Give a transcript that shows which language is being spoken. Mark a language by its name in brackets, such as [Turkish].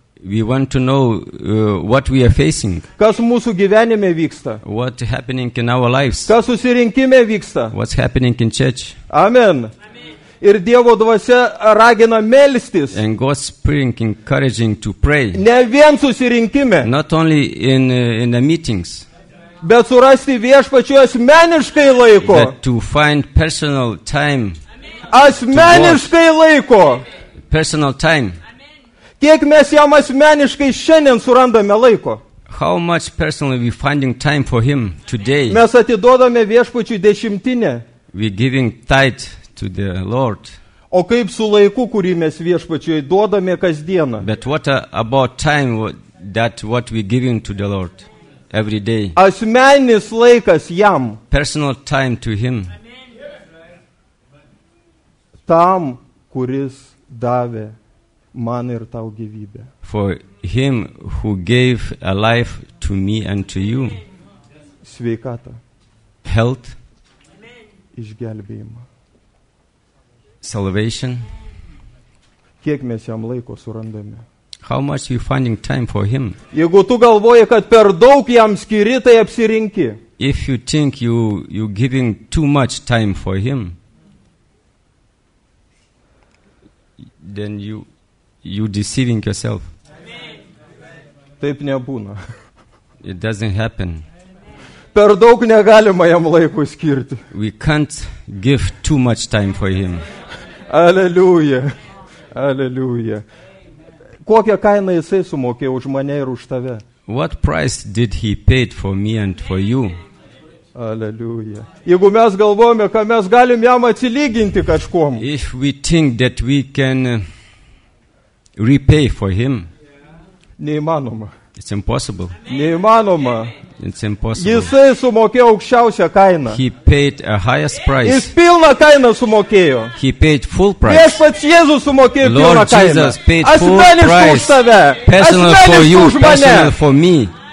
[English] We want to know what we are facing. [Lithuanian] Kas mūsų gyvenime vyksta? [English] What happening in our lives? [Lithuanian] Kas susirinkime vyksta? [English] What's happening in church? [Lithuanian] Amen. Ir Dievo dvasia ragina melstis. [English] And God's spirit encouraging to pray. [Lithuanian] Ne vien susirinkime. [English] Not only in the meetings. [Lithuanian] Bet surasti viešpačiu asmeniškai laiko. [English] That to find personal time. [Lithuanian] Asmeniškai laiko. [English] Personal time. [Lithuanian] Kiek mes jam asmeniškai šiandien surandame laiko? [English] How much personally we finding time for him today? [Lithuanian] Mes atiduodame viešpačiui dešimtinę. [English] We giving tithe to the Lord. [Lithuanian] O kaip su laiku, kurį mes viešpačiui duodame kasdieną? [English] But what about time that what we giving to the Lord? Every day. [Lithuanian] Asmeninis laikas jam. [English] Personal time to him. [Lithuanian] Tam, kuris davė man ir tau gyvybę. [English] For him who gave a life to me and to you. [Lithuanian] Sveikatą. [English] Health. [Lithuanian] Išgelbėjimą. [English] Salvation. [Lithuanian] Kiek mes jam laiko surandame? [English] How much you finding time for him? [Lithuanian] Jeigu tu galvoji, kad per daug jam skiri, tai apsirinki. [English] If you think you giving too much time for him, then you deceiving yourself. [Lithuanian] Amen. Taip nebūna. [English] It doesn't happen. [Lithuanian] Per daug negalima jam laiko skirti. [English] We can't give too much time for him. [Lithuanian] Aleluja. Aleluja. Kokią kainą jisai sumokėjo už mane ir už tave? [English] What price did he pay for me and for you? [Lithuanian] Aleliuja. Jeigu mes galvojame, kad mes galim jam atsilyginti kažkom. [English] If we think that we can repay for him. [Lithuanian] Neįmanoma. [English] It's impossible. [Lithuanian] Neįmanoma. [English] It's impossible. [Lithuanian] Jisai sumokėjo aukščiausią kainą. [English] He paid a highest price. [Lithuanian] Jis pilną kainą sumokėjo. [English] He paid full price. [Lithuanian] Jis pats Jėzus sumokėjo pilną kainą. [English] Lord Jesus paid full price. Personal for you, personal for me.